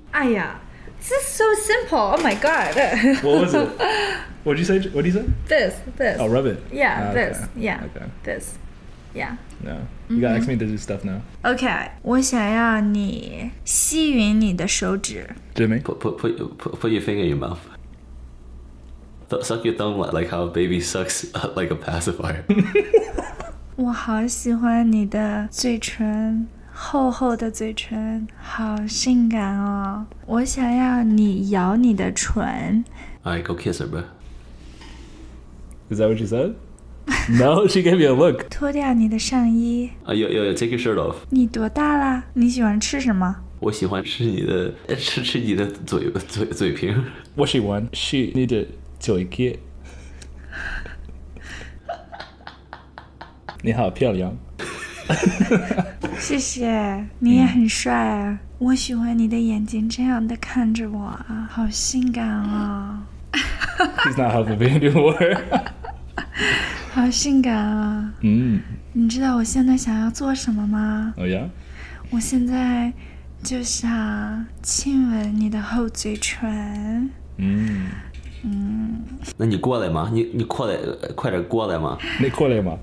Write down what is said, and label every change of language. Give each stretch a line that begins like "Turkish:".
English: 哎呀, this is so simple. Oh my god. What was it? What did you say? This. Oh, rub it. Yeah, okay. This. Yeah. Okay. This. Yeah. No. You gotta ask me to do stuff now. Okay.
Chinese: 我想要你吸吮你的手指。
English: Jimmy? Put your finger in your mouth. Suck your thumb like how a baby sucks like a pacifier.
Chinese: 我好喜欢你的嘴唇。厚厚的嘴唇，好性感哦！我想要你咬你的唇。
English: Alright, go kiss her, bro. Is that what she said? No, she gave me a look.
Chinese: 脱掉你的上衣。
English: Yo, take your shirt off.
Chinese: 你多大了？你喜欢吃什么？我喜欢吃你的，吃你的嘴瓶。
English: What she want? She need a 嘴贴。
Chinese: 你好漂亮。谢谢，你也很帅啊！我喜欢你的眼睛这样的看着我啊，好性感啊、
English: 哦、！He's not helping me anymore.
Chinese: 好性感啊！嗯、你知道我现在想要做什么吗
English: ？Oh yeah.
Chinese: 我现在就想亲吻你的厚嘴唇。嗯嗯，那你过来吗？你过来，快点过来吗？你过来吗？